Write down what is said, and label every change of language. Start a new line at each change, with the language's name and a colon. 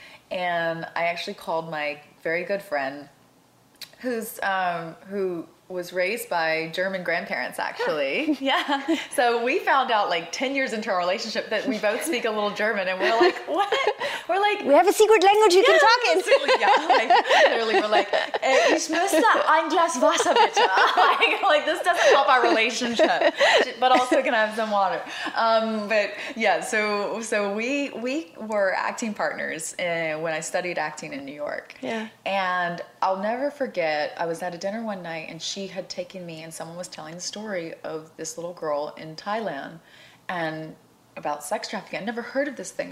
English: And I actually called my very good friend, who was raised by German grandparents, actually. Yeah. So we found out like 10 years into our relationship that we both speak a little German, and we're like, what? We're like, we have a secret language you can talk in. Literally, yeah. Like, literally, we're like,
German: ich muss ein Glas Wasser bitte.
English: Like, this doesn't help our relationship, but also can I have some water? But yeah, so we were acting partners when I studied acting in New York. Yeah. And I'll never forget, I was at a dinner one night, and she had taken me, and someone was telling the story of this little girl in Thailand and about sex trafficking. I'd never heard of this thing.